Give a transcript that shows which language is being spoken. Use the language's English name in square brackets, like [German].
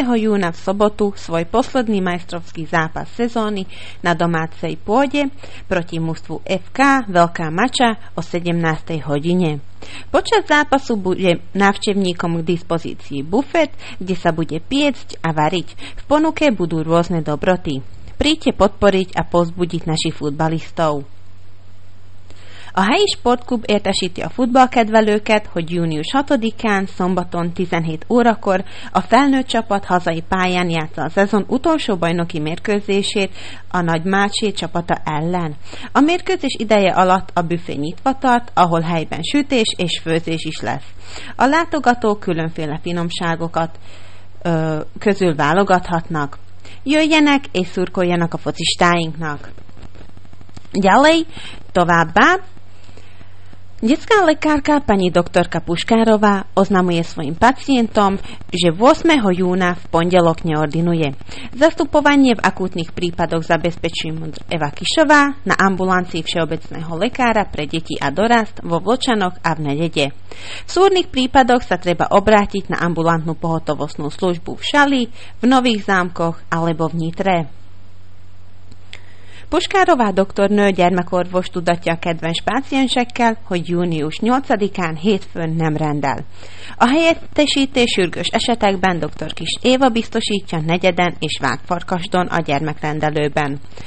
[Slovak] júna v sobotu svoj posledný majstrovský zápas sezóny na domácej pôde proti mužstvu FK Veľká Mača o 17. hodine. Počas zápasu bude návštevníkom k dispozícii bufet, kde sa bude piecť a variť. V ponuke budú rôzne dobroty. Príďte podporiť a povzbudiť našich futbalistov. [Hungarian] A helyi sportklub értesíti a futballkedvelőket, hogy június 6-án, szombaton 17 órakor a felnőtt csapat hazai pályán játssza a szezon utolsó bajnoki mérkőzését a Nagy Mácsé csapata ellen. A mérkőzés ideje alatt a büfé nyitva tart, ahol helyben sütés és főzés is lesz. A látogatók különféle finomságokat közül válogathatnak. Jöjjenek és szurkoljanak a focistáinknak! Gyalej, továbbá! [Slovak] Detská lekárka pani doktorka Puškárová oznamuje svojim pacientom, že 8. júna v pondelok neordinuje. Zastupovanie v akútnych prípadoch zabezpečuje Eva Kišová na ambulancii všeobecného lekára pre deti a dorast vo Vlčanoch a v Nedede. V súrnych prípadoch sa treba obrátiť na ambulantnú pohotovostnú službu v Šali, v Nových Zámkoch alebo v Nitre. [Hungarian] Puškárová doktornő gyermekorvos tudatja a kedvenc páciensekkel, hogy június 8-án hétfőn nem rendel. A helyettesítés sürgős esetekben dr. Kis Éva biztosítja Negyeden és Vágfarkasdon a gyermekrendelőben.